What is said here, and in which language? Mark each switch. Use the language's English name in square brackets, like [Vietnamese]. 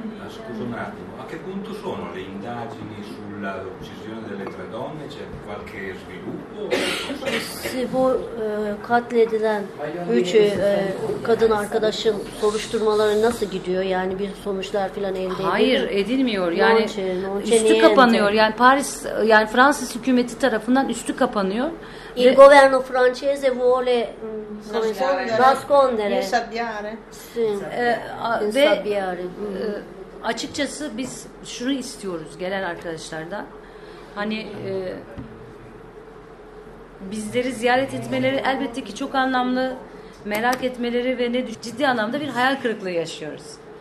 [Italian] Scusa un attimo, a che punto sono le indagini sulla uccisione delle tre donne? C'è qualche sviluppo? [Turkish] Si bu katledilen üç kadın arkadaşın soruşturmaları nasıl gidiyor? Yani bir sonuçlar falan elde ediliyor? Hayır, edilmiyor. Yani üstü kapanıyor. Yani Paris yani Fransız hükümeti tarafından üstü kapanıyor. [Italian] Il governo francese vuole nascondere. Sabbiare. [Turkish] Açıkçası biz şunu istiyoruz gelen arkadaşlardan. Hani bizleri ziyaret etmeleri elbette ki çok anlamlı, merak etmeleri ve ne ciddi anlamda bir hayal kırıklığı yaşıyoruz.